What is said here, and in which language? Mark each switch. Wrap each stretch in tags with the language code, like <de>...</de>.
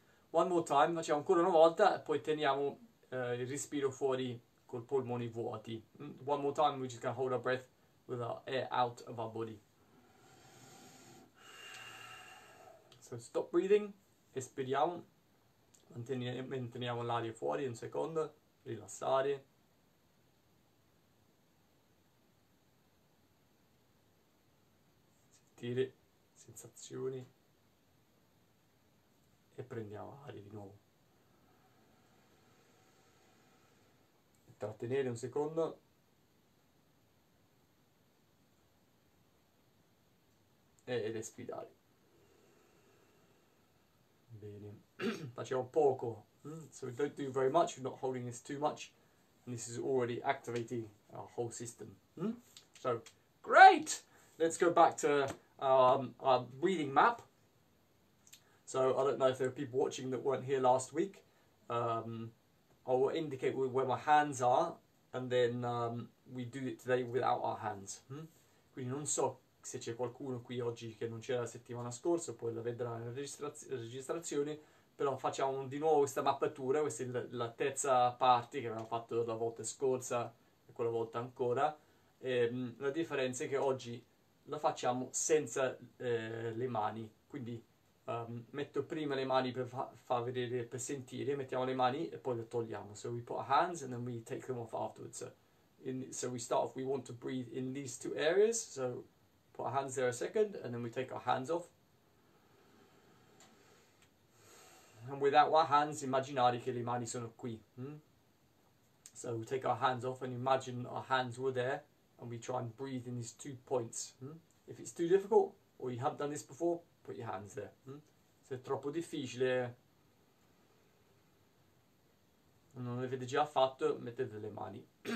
<en>One more time,</en> <it>facciamo ancora una volta e poi teniamo il respiro fuori col polmoni vuoti.</it> <en>One more time, we're just gonna hold our breath with our air out of our body. So stop breathing,</en> <it>espiriamo, manteniamo l'aria fuori un secondo, rilassare. Sentire sensazioni e prendiamo aria di nuovo. Trattenere un secondo. Ed espirare. Bene. Facciamo poco.</it> <en>So don't do very much, you're not holding this too much. And this is already activating our whole system. So great! Let's go back to our breathing map. So I don't know if there are people watching that weren't here last week. I will indicate where my hands are, and then we do it today without our hands.</en> <it>Quindi non so. Se c'è qualcuno qui oggi che non c'era la settimana scorsa, poi la vedrà nella registrazione, però facciamo di nuovo questa mappatura. Questa è la terza parte che abbiamo fatto la volta scorsa e quella volta ancora. E la differenza è che oggi la facciamo senza le mani. Quindi metto prima le mani per far vedere, per sentire, mettiamo le mani e poi le togliamo.</it> <en>So we put our hands and then we take them off afterwards. So we start off, we want to breathe in these two areas. So put our hands there a second, and then we take our hands off. And without our hands,</en> <it>immaginare che le mani sono qui.</it> <en>So we take our hands off and imagine our hands were there, and we try and breathe in these two points. If it's too difficult, or you haven't done this before, put your hands there.</en> <it>Se è troppo difficile, non l'avete già fatto, mettete le mani.</it>